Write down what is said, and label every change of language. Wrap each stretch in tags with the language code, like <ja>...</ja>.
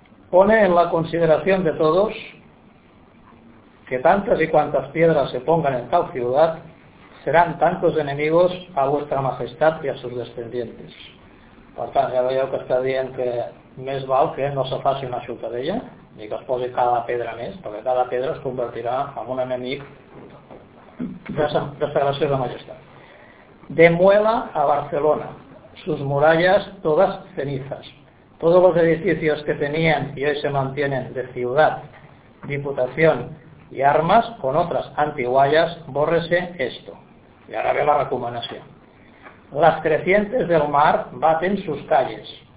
<es>Pone en la consideración de todos que tantas y cuantas piedras se pongan en tal ciudad serán tantos enemigos a vuestra majestad y a sus descendientes.</es> <ca>Per tant, ja veieu que està dient que més val que no se faci una ciutadella ni que es posi cada pedra més, perquè cada pedra es convertirà en un enemic de sagració de majestat.</ca> <es>Demuela a Barcelona sus murallas todas cenizas, todos los edificios que tenían y hoy se mantienen de ciudad, diputación y armas con otras antiguallas, bórrese esto. Y ahora ve la recomendación. Las crecientes del mar baten sus calles,</es>